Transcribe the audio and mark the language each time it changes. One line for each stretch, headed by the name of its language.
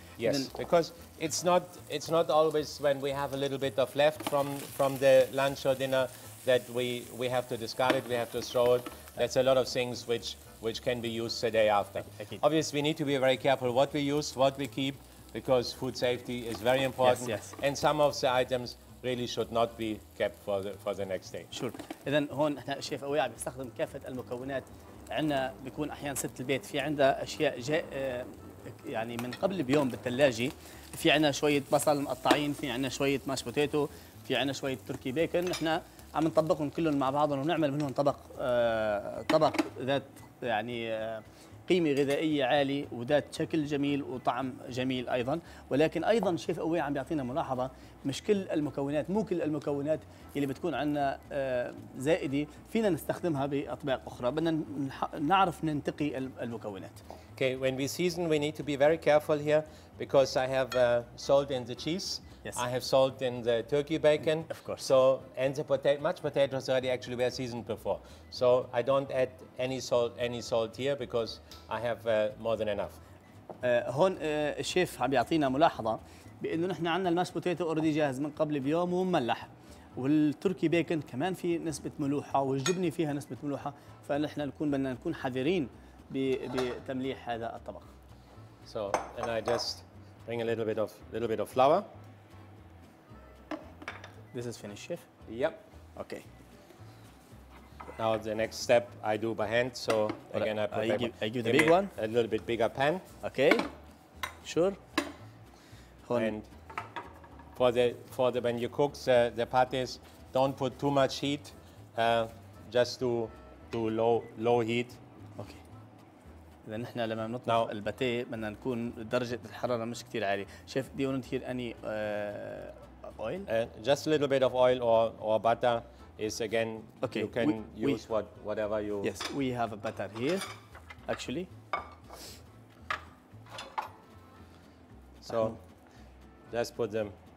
English: Yes, because it's not always when we have a little bit of left from the lunch or dinner that we have to discard it, we have to throw it. That's a lot of things which can be used the day after. Okay. Obviously, we need to be very careful what we use, what we keep, because food safety is very important. Yes, yes. And some of the items really should not be kept for the next day. Sure.
Arabic: إذن هون إحنا شيف أويع بيستخدم كافة المكونات. عندنا بيكون أحيانا ست البيت في عندها أشياء يعني من قبل بيوم بالثلاجة. في عندنا شوية بصل مقطعين، في عندنا شوية ماش بوتيتو، في عندنا شوية تركي بيكن. إحنا عم نطبقهم كلهم مع بعضهم ونعمل منهم طبق ذات يعني قيمة غذائية عالية وذات شكل جميل وطعم جميل أيضا. ولكن أيضا شيف قوي عم بيعطينا ملاحظة، مو كل المكونات اللي بتكون عندنا زائدة فينا نستخدمها بأطباق أخرى، بدنا نعرف ننتقي المكونات.
English: Okay, when we season we need to be very careful here because I have salt in the cheese. Yes. I have salt in the turkey bacon. Of course. So, and the mashed potatoes already actually were seasoned before. So, I don't add any salt here because I have more than enough.
Arabic: هون الشيف عم بيعطينا ملاحظة بأنه نحن عندنا الماش بوتيتو
English: already
Arabic: جاهز من قبل بيوم ومملح. والتركي بيكن كمان في نسبة ملوحة والجبنة فيها نسبة ملوحة، فنحن بدنا نكون حذرين بتمليح هذا الطبق.
English: So, and I just bring a little bit of flour. This is finished, chef? Yep. Okay. Now the next step I do by hand, so well, again I put I give the big one. A little bit bigger pan. Okay. Sure. Hold and on. For the when you cook the patties, don't put too much heat. Just do low heat. Okay.
Arabic: إذا نحن لما بنطبخ الباتيه بدنا نكون درجة الحرارة مش كثير عالية.
English: Chef, do you want to hear any oil? Just a little bit of oil or butter is again okay. You can use whatever you. Yes, we have a butter here, actually. So, just put them.